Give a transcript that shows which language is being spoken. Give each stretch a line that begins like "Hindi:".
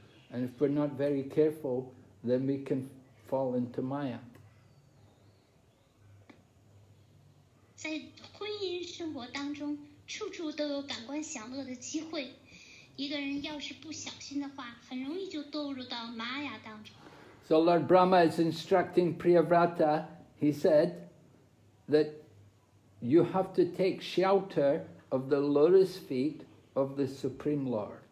English: And if we're not very careful, then we can fall into Maya.
Chinese: 在婚姻生活当中，处处都有感官享乐的机会。一个人要是不小心的话，很容易就堕入到玛雅当中。
English: So Lord Brahma is instructing Priyavrata, he said that you have to take shelter of the lotus feet of the Supreme Lord.